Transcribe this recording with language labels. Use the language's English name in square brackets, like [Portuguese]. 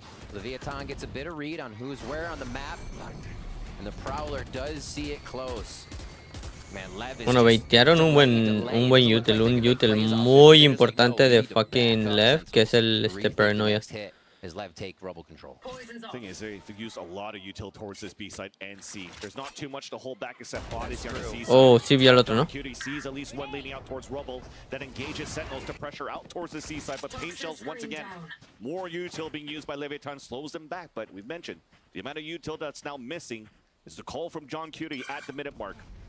[English] Leviathan gets a bit of read on who's where on the map. And the Prowler does see it close. Man, Lev is [Spanish] bueno, baitearon un buen util, un util muy importante de fucking Lev, que es el este paranoia. [English] Is Lev take rubble control. Thing is, they use a lot of util towards this B side and C. There's not too much to hold back except bodies here on C side. [Spanish] Oh, sí vi al otro, ¿no? [English] QT sees at least one leaning out towards rubble that engages Sentinels to pressure out towards the C side, but Pain Shells once again. More util being used by Leviathan slows them back, but we've mentioned the amount of util that's now missing is the call from John QT at the minute mark.